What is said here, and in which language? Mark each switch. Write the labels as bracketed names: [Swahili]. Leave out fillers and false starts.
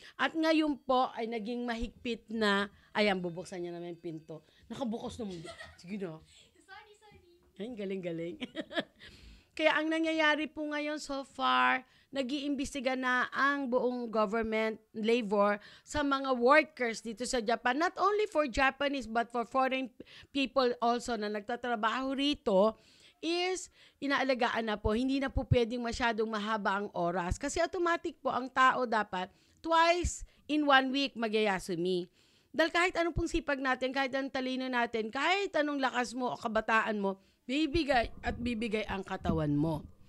[Filipino] At ngayon po ay naging mahigpit na, ayan, bubuksan niya naman yung pinto. Nakabukas naman. Sige na. Sorry. Ayun, galing. Kaya ang nangyayari po ngayon so far, nag-iimbestiga na ang buong government labor sa mga workers dito sa Japan. [English] Not only for Japanese but for foreign people also [Filipino] na nagtatrabaho rito. Is inaalagaan na po, hindi na po pwedeng masyadong mahaba ang oras. Kasi automatic po, ang tao dapat twice in one week magyayasumi. Dahil kahit anong pong sipag natin, kahit anong talino natin, kahit anong lakas mo o kabataan mo, bibigay at bibigay ang katawan mo.